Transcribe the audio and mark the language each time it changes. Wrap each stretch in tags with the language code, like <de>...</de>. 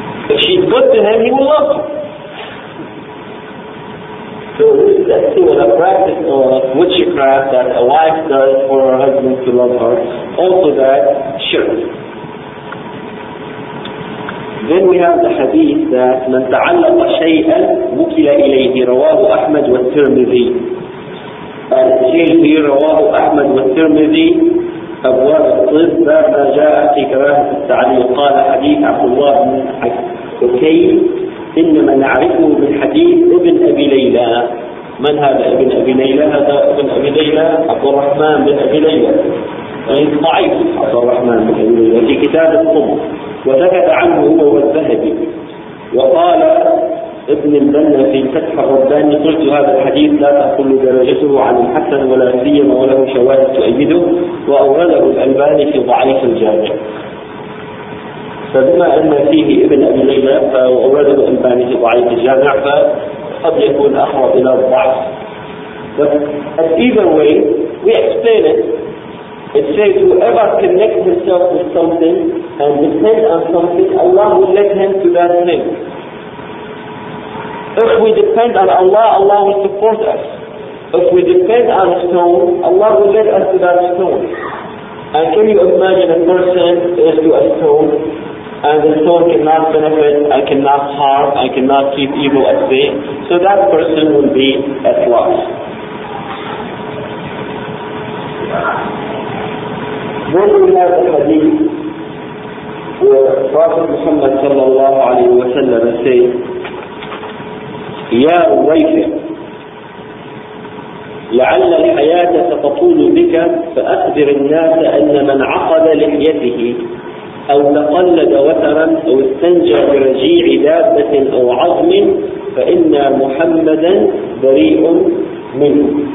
<en>If she's good to him, he will love her. So this is a practice of witchcraft that a wife does for her husband to love her. Also that, shirk. Then we have the hadith that</en> <ar>من تعلق شيئا وكل إليه رواه أحمد والترمذي. الشيخ رواه أحمد والترمذي أبواب الطب بعد جاء في كراهة التعليق. قال حديث عبد الله بن حكيم إنما نعرفه من حديث ابن أبي ليلى. من هذا ابن أبي ليلى؟ هذا ابن أبي ليلى عبد الرحمن بن أبي ليلى ضعيف عبد الرحمن بن أبي ليلى في كتاب الطب، وذكر عنه هو الذهبي. وقال ابن البنا في فتح الرباني قلت هذا الحديث لا تقل درجته عن الحسن ولا سيما وله شواهد تؤيده، وأورده الألباني في ضعيف الجامع. فبما أن فيه ابن أبي ليلى فأورده الألباني في ضعيف الجامع فقد يكون أقرب إلى الضعف.</ar> <en>But either way we explain it. It says whoever connects himself with something and depends on something, Allah will let him to that thing. If we depend on Allah, Allah will support us. If we depend on a stone, Allah will let us to that stone. And can you imagine a person is to a stone, and the stone cannot benefit, and cannot harm, and cannot keep evil at bay? So that person will be at loss. Then we have the hadith where Prophet Muhammad sallallahu alayhi wa sallam says,</en> <ar>يا ريفة لعل الحياة تطول بك فأخبر الناس أن من عقد لحيته أو تقلد وترا أو استنجى برجيع دابة أو عظم فإن محمدا بريء منه.</ar>